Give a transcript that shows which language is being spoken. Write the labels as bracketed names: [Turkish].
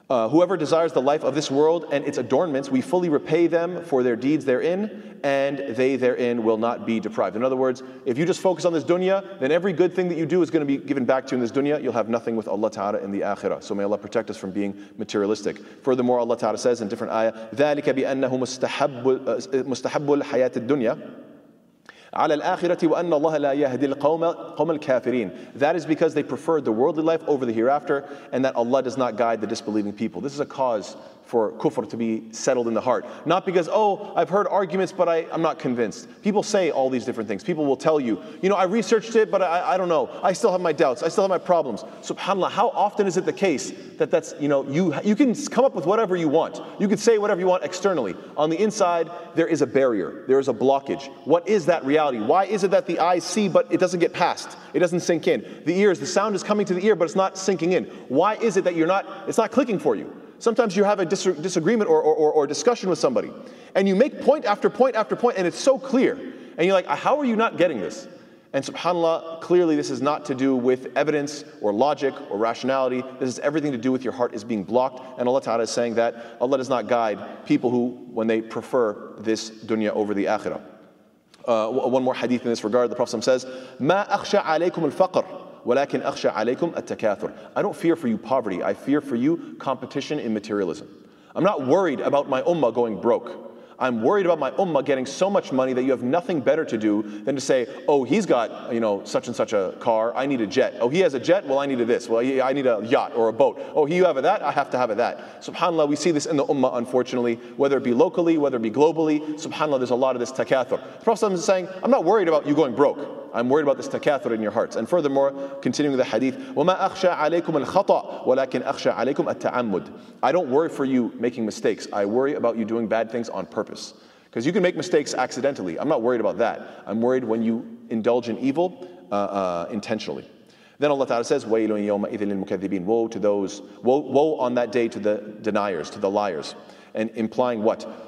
[English] Whoever desires the life of this world and its adornments, we fully repay them for their deeds therein, and they therein will not be deprived. In other words, if you just focus on this dunya, then every good thing that you do is going to be given back to you in this dunya. You'll have nothing with Allah Ta'ala in the akhirah. So may Allah protect us from being materialistic. Furthermore, Allah Ta'ala says in different ayah, [Arabic] ذَلِكَ بِأَنَّهُ مُسْتَحَبُّ الْحَيَاةِ الدُّنْيَا عَلَى الْآخِرَةِ وَأَنَّ اللَّهَ لَا يَهْدِي الْقَوْمَ الْكَافِرِينَ. [English] That is because they preferred the worldly life over the hereafter, and that Allah does not guide the disbelieving people. This is a cause for kufr to be settled in the heart. Not because, oh, I've heard arguments, but I'm not convinced. People say all these different things. People will tell you, you know, I researched it, but I don't know. I still have my doubts. I still have my problems. SubhanAllah, how often is it the case that's, you know, you can come up with whatever you want. You can say whatever you want externally. On the inside, there is a barrier. There is a blockage. What is that reality? Why is it that the eyes see, but it doesn't get past? It doesn't sink in. The ears, the sound is coming to the ear, but it's not sinking in. Why is it that it's not clicking for you? Sometimes you have a disagreement or discussion with somebody, and you make point after point after point, and it's so clear. And you're like, how are you not getting this? And subhanAllah, clearly this is not to do with evidence or logic or rationality. This is everything to do with your heart is being blocked. And Allah Ta'ala is saying that Allah does not guide people who, when they prefer this dunya over the akhirah. One more hadith in this regard. The Prophet says, [Arabic] مَا أَخْشَ عَلَيْكُمُ الْفَقْرِ وَلَكِنْ أَخْشَ عَلَيْكُمْ التَّكَاثُرِ. [English] I don't fear for you poverty. I fear for you competition in materialism. I'm not worried about my ummah going broke. I'm worried about my ummah getting so much money that you have nothing better to do than to say, oh, he's got, you know, such and such a car. I need a jet. Oh, he has a jet. Well, I need this. Well, I need a yacht or a boat. Oh, you have that. I have to have that. SubhanAllah, we see this in the ummah, unfortunately, whether it be locally, whether it be globally. SubhanAllah, there's a lot of this takathur. The Prophet is saying, I'm not worried about you going broke. I'm worried about this takathur in your hearts. And furthermore, continuing the hadith, [Arabic] وَمَا أَخْشَ عَلَيْكُمْ الْخَطَأَ وَلَكِنْ أَخْشَ عَلَيْكُمْ التَّعَمُّدْ. [English] I don't worry for you making mistakes. I worry about you doing bad things on purpose. Because you can make mistakes accidentally. I'm not worried about that. I'm worried when you indulge in evil intentionally. Then Allah Ta'ala says, [Arabic] وَيْلٌ يَوْمَئِذٍ لِلْمُكَذِّبِينَ. [English] Woe on that day to the deniers, to the liars. And implying what?